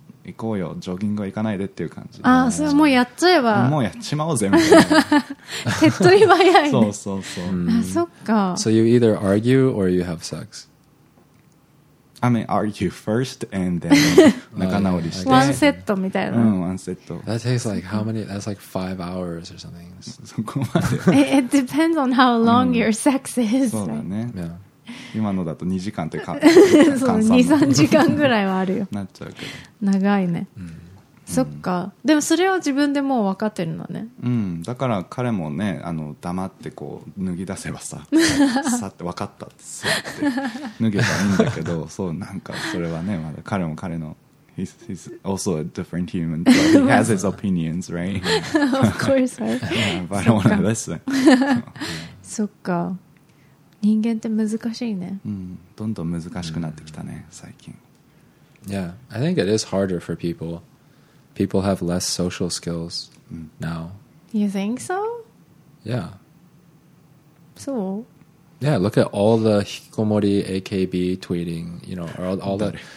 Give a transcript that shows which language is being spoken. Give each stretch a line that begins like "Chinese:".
Japanese: 行こうよ、ジョギング行かないでっていう感じ。あ、それもうやっちゃえば。もうやっちまおうぜ。手っ取り早い、ね。そうそうそう。あ、そっか。
English: So you either argue or you have sex. I mean, argue first and then
Japanese: 仲直りして。ワンセットみたいな。うん、ワンセット。
English: That takes like how many? That's like 5 hours or something.
Japanese: そこまで。
English: It depends on how long your sex is.
Japanese: そうだね。今のだと2時間って換算2、3時間ぐらいはあるよなっちゃうけど長いね、そっか、でもそれは自分でもう分かってるのね、だから彼もね、あの黙ってこう脱ぎ出せばさ、さって分かったっ って脱げばいいんだけど、そうなんかそれはね、まだ彼も彼の
English: he's also a different human, he has his opinions, right? Of course, right? But I don't want to listen.
Japanese: そっか、人間って難しいね。どんどん難しくなってきたね、最近。
English: Yeah, I think it is harder for people. People have less social skills now. You think so? Yeah. So? Yeah, look at all the hikikomori AKB tweeting, you know, or all the...